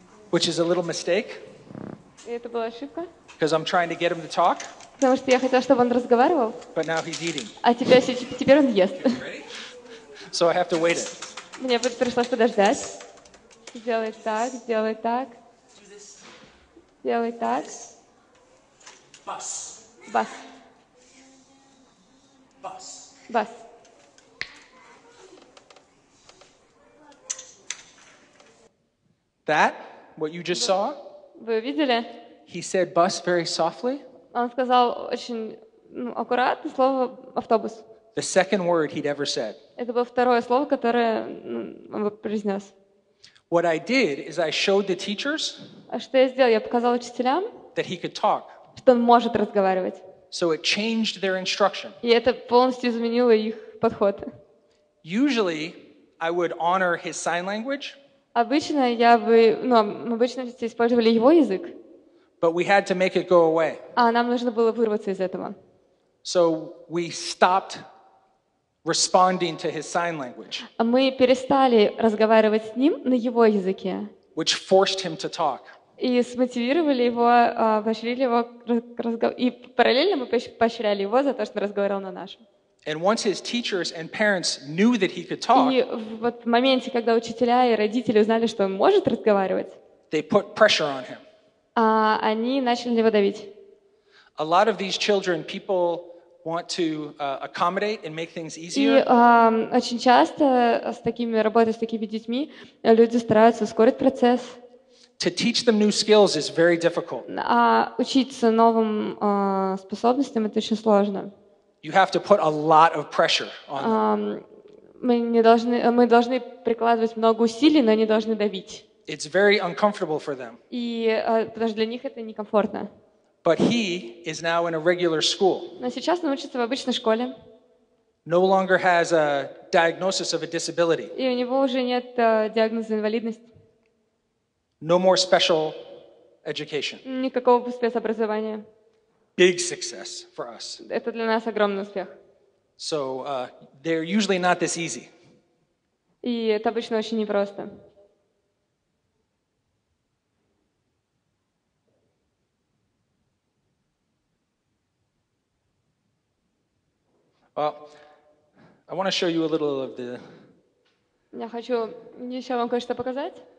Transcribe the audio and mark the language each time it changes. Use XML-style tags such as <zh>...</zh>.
<en>Which is a little mistake.</en> <ru>Это была ошибка.</ru> <en>Because I'm trying to get him to talk.</en> <ru>Потому что я хотел, чтобы он разговаривал.</ru> <en>But now he's eating.</en> <ru>А теперь он ест.</ru> <en>So I have to wait it.</en> <ru>Мне пришлось подождать. Сделай так, сделай так. Сделай так.</ru> <en>Bus. Bus. Bus.</en> <ru>Бас.</ru> <en>That, what you just saw?</en> <ru>Вы видели?</ru> <en>He said bus very softly.</en> <ru>Он сказал очень аккуратно слово автобус.</ru> <en>The second word he'd ever said.</en> <ru>Это было второе слово, которое он произнес.</ru> <en>What I did is I showed the teachers.</en> <ru>А что я сделал? Я показал учителям.</ru> <en>That he could talk.</en> <ru>Что он может разговаривать.</ru> <en>So it changed their instruction.</en> <ru>И это полностью изменило их подход.</ru> <en>Usually I would honor his sign language.</en> <ru>Обычно я бы, ну, обычно все использовали его язык.</ru> <en>But we had to make it go away.</en> <ru>А нам нужно было вырваться из этого.</ru> <en>So we stopped responding to his sign language.</en> <ru>Мы перестали разговаривать с ним на его языке.</ru> <en>Which forced him to talk.</en> <ru>И смотивировали его, поощрили его и параллельно мы поощряли его за то, что разговаривал на нашем.</ru> <en>And once his teachers and parents knew that he could talk.</en> <ru>И вот в моменте, когда учителя и родители узнали, что он может разговаривать.</ru> <en>They put pressure on him.</en> <ru>Они начали его давить.</ru> <en>A lot of these children, people want to accommodate and make things easier.</en> <ru>Очень часто с такими работой с такими детьми люди стараются ускорить процесс.</ru> <en>To teach them new skills is very difficult.</en> <ru>Учиться новым способностям это очень сложно.</ru> <en>You have to put a lot of pressure on them.</en> <ru>Мы должны прикладывать много усилий, но не должны давить.</ru> <en>It's very uncomfortable for them.</en> <ru>И потому что для них это некомфортно.</ru> <en>But he is now in a regular school.</en> <ru>Но сейчас он учится в обычной школе.</ru> <en>No longer has a diagnosis of a disability.</en> <ru>И у него уже нет диагноза инвалидности.</ru> <en>No more special education.</en> <ru>Никакого спецобразования.</ru> <en>Big success for us.</en> <ru>Это для нас огромный успех.</ru> <en>So they're usually not this easy.</en> <ru>И это обычно очень непросто.</ru> <en>Well, I want to show you a little of the.</en> <ru>Я хочу еще вам кое-что показать.</ru>